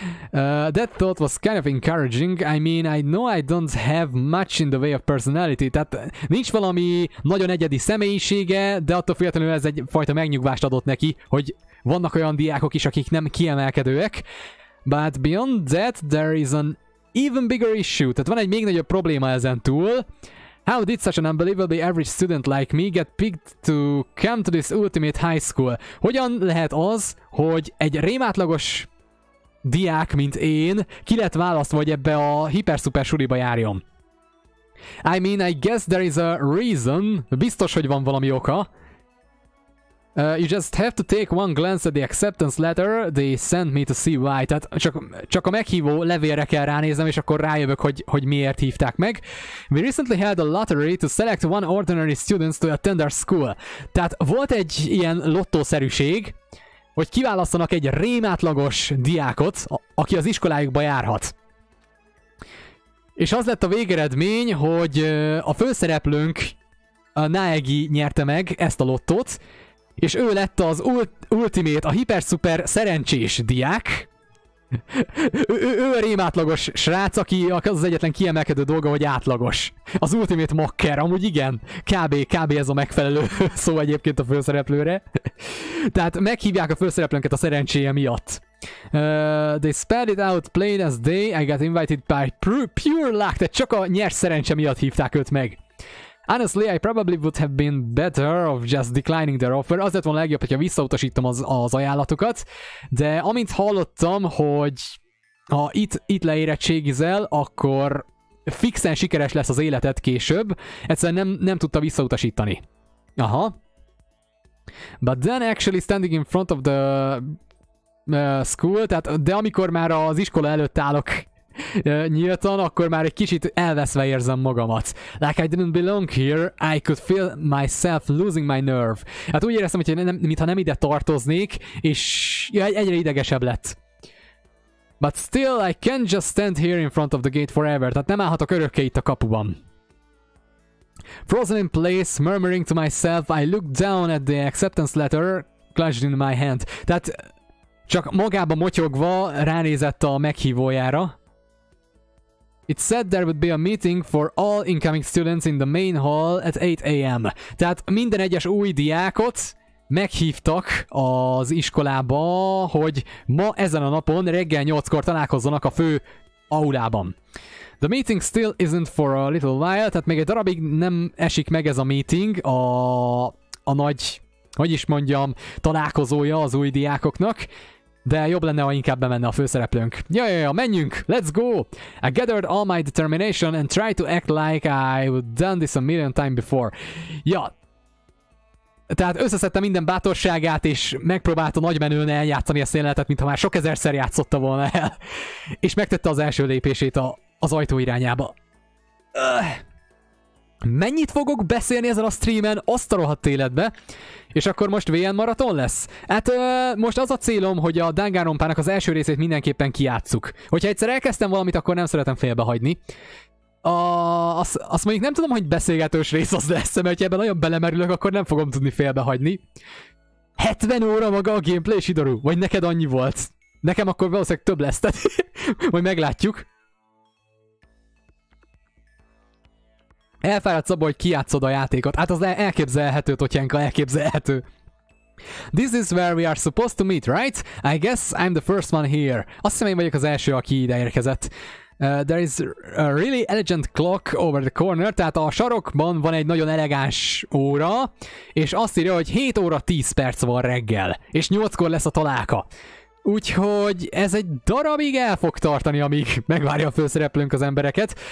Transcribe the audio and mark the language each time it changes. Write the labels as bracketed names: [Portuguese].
[English] That thought was kind of encouraging, I mean, I know I don't have much in the way of personality, [Hungarian] tehát nincs valami nagyon egyedi személyisége, de attól függetlenül ez egyfajta megnyugvást adott neki, hogy vannak olyan diákok is, akik nem kiemelkedőek. [English] But beyond that, there is an even bigger issue, [Hungarian] tehát van egy még nagyobb probléma ezen túl. [English] How did such an unbelievably average student like me get picked to come to this ultimate high school? [Hungarian] Hogyan lehet az, hogy egy rémátlagos diák, mint én, ki lett választva, hogy ebbe a hiper-szuper suliba járjon? [English] I mean, I guess there is a reason, [Hungarian] biztos, hogy van valami oka. [English] You just have to take one glance at the acceptance letter they sent me to see why. [Hungarian] Tehát csak a meghívó levélre kell ránéznem, és akkor rájövök, hogy miért hívták meg. [English] We recently held a lottery to select one ordinary student to attend our school. [Hungarian] Tehát volt egy ilyen lottószerűség, hogy kiválasztanak egy rémátlagos diákot, aki az iskolájukba járhat. És az lett a végeredmény, hogy a főszereplőnk, a Naegi nyerte meg ezt a lottót, és ő lett az ultimate, a hiper-szuper szerencsés diák. Ő a rémátlagos srác, aki az, az egyetlen kiemelkedő dolga, hogy átlagos. Az Ultimate Mocker, amúgy igen. Kb. Ez a megfelelő szó egyébként a főszereplőre. Tehát meghívják a főszereplőnket a szerencséje miatt. [English] They spelled it out plain as day, I got invited by pure luck, [Hungarian] tehát csak a nyers szerencse miatt hívták őt meg. [English] Honestly, I probably would have been better of just declining their offer. [Hungarian] Az lett volna legjobb, hogyha visszautasítom az ajánlatokat. De amint hallottam, hogy ha itt leérettségizel, akkor fixen sikeres lesz az életed később. Egyszerűen nem tudta visszautasítani. Aha. [English] But then actually standing in front of the school, [Hungarian] tehát de amikor már az iskola előtt állok nyíltan, akkor már egy kicsit elveszve érzem magamat. [English] Like I didn't belong here, I could feel myself losing my nerve. [Hungarian] Hát úgy éreztem, hogy mintha nem ide tartoznék, és egyre idegesebb lett. [English] But still, I can't just stand here in front of the gate forever. [Hungarian] Tehát nem állhatok örökké itt a kapuban. [English] Frozen in place, murmuring to myself, I looked down at the acceptance letter clutched in my hand. [Hungarian] Tehát csak magába motyogva ránézett a meghívójára. [English] It said there would be a meeting for all incoming students in the main hall at 8 a.m. [Hungarian] Tehát minden egyes új diákot meghívtak az iskolába, hogy ma ezen a napon reggel 8-kor találkozzanak a fő aulában. [English] The meeting still isn't for a little while, [Hungarian] tehát még egy darabig nem esik meg ez a meeting a nagy, hogy is mondjam, találkozója az új diákoknak. De jobb lenne, ha inkább bemenne a főszereplőnk. Ja, menjünk! [English] Let's go! I gathered all my determination and tried to act like I would done this a million times before. Ja. [Hungarian] Tehát összeszedte minden bátorságát, és megpróbálta nagymenőn eljátszani a széletet, mintha már sok ezerszer játszotta volna el. És megtette az első lépését az ajtó irányába. Mennyit fogok beszélni ezen a streamen, azt a rohadt életbe? És akkor most VN maraton lesz? Hát most az a célom, hogy a Danganronpának az első részét mindenképpen kijátsszuk. Hogyha egyszer elkezdtem valamit, akkor nem szeretem félbehagyni. Azt mondjuk nem tudom, hogy beszélgetős rész az lesz, mert ha ebben nagyon belemerülök, akkor nem fogom tudni félbehagyni. 70 óra maga a gameplay, Sidoru? Vagy neked annyi volt? Nekem akkor valószínűleg több lesz, tehát majd meglátjuk. Elfáradsz abba, hogy kijátszod a játékot. Hát az elképzelhető, Totyenka, elképzelhető. [English] This is where we are supposed to meet, right? I guess I'm the first one here. [Hungarian] Azt hiszem, én vagyok az első, aki ide érkezett. [English] There is a really elegant clock over the corner. [Hungarian] Tehát a sarokban van egy nagyon elegáns óra, és azt írja, hogy 7 óra 10 perc van reggel, és 8-kor lesz a találka. Úgyhogy ez egy darabig el fog tartani, amíg megvárja a főszereplőnk az embereket.